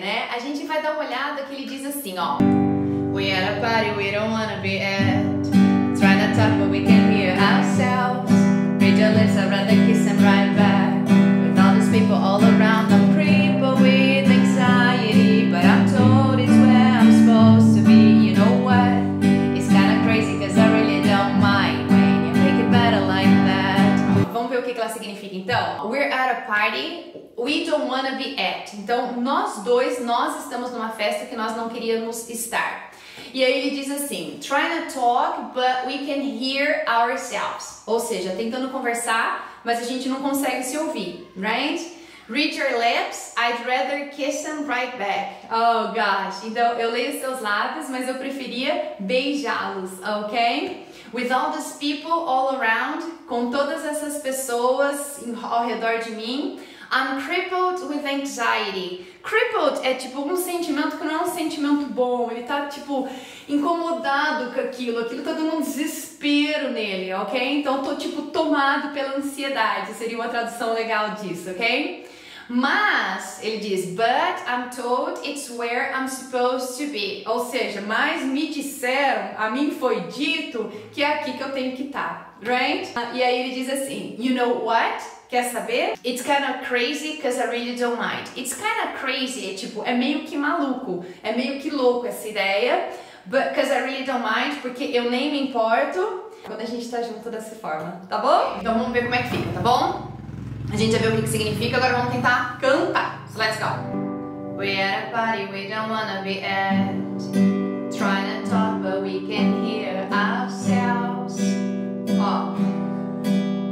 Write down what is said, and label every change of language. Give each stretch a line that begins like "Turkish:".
Portuguese: A gente vai dar uma olhada que ele diz assim, ó.
English: We at a party we don't wanna be at. Try not talk but we can hear ourselves. Read your lips, I'd rather kiss them right back. With all these people all around, I'm crippled with anxiety. But I'm told it's where I'm supposed to be. You know what? It's kinda crazy cause I really don't mind when you make it better like that.
Portuguese: Vamos ver o que ela significa então.
English: We're at a party. We don't wanna be at.
Portuguese: Então, nós dois, nós estamos numa festa que nós não queríamos estar. E aí ele diz assim,
English: try not talk, but we can hear ourselves.
Portuguese: Ou seja, tentando conversar, mas a gente não consegue se ouvir, right?
English: Read your lips, I'd rather kiss them right back. Oh, gosh.
Portuguese: Então, eu leio seus lábios, mas eu preferia beijá-los, ok?
English: With all these people all around,
Portuguese: com todas essas pessoas ao redor de mim,
English: I'm crippled with anxiety.
Portuguese: Crippled é tipo um sentimento que não é um sentimento bom. Ele tá tipo incomodado com aquilo. Aquilo tá dando um desespero nele, ok? Então tô tipo tomado pela ansiedade. Seria uma tradução legal disso, ok? Mas, ele diz,
English: but I'm told it's where I'm supposed to be.
Portuguese: Ou seja, mas me disseram, a mim foi dito, que é aqui que eu tenho que estar, right? E aí ele diz assim,
English: you know what?
Portuguese: Quer saber?
English: It's kind of crazy because I really don't mind. It's kind of crazy,
Portuguese: tipo, é meio que maluco, é meio que louco essa ideia.
English: But because I really don't mind,
Portuguese: porque eu nem me importo. Quando a gente tá junto dessa forma, tá bom? Então vamos ver como é que fica, tá bom? A gente já viu o que significa, agora vamos tentar cantar.
English: So let's go. We at a party we don't wanna be at. Trying to talk but we can hear ourselves. Oh.